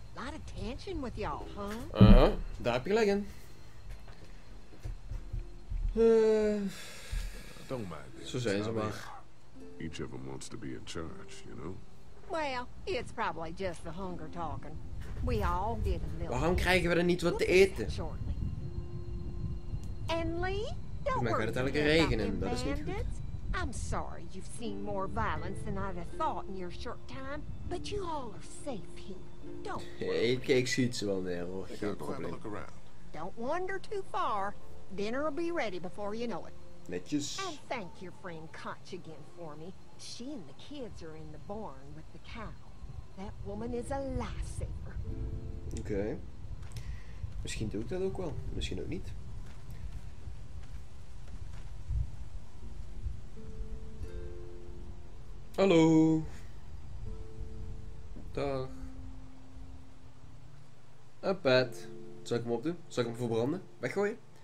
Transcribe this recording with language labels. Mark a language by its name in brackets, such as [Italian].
[English] A lot of tension with y'all, huh? [Dutch] Uh-huh. Daar heb je gelijk in. [English] Don't mind them. [Dutch] Zo zijn ze maar. [English] Each of them wants to be in charge, you know? Well, it's probably just the hunger talking. We all get a little. [Dutch] Waarom krijgen we er niet wat te eten? [English] And Lee? Don't worry. [Dutch] Het elke regenen, dat is niet goed. [English] I'm sorry you've seen more violence than I'd have thought in your short time, but you all are safe here. Don't worry. [Dutch] Hey, kijk, ziet ze wel neer, hoor. Geen probleem. [English] Don't wander too far. Dinner will be ready before you know it. [Dutch] Netjes. [English] And thank your friend Koch again for me. She and the kids are in the barn with the cow. That woman is a lifesaver. [Dutch] Okay. Misschien doe ik dat ook wel. Misschien ook niet. Hallo. Dag. Een pet. Zal ik hem opdoen? Zal ik hem verbranden? Weggooien?